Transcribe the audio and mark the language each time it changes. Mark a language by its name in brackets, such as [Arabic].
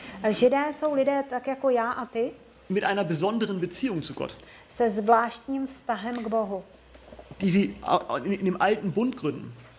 [Czech] Židé jsou lidé tak jako já a ty. [German] Mit einer besonderen Beziehung zu Gott. [Czech] Se zvláštním vztahem k Bohu. [German] Die sie in dem alten Bund gründen.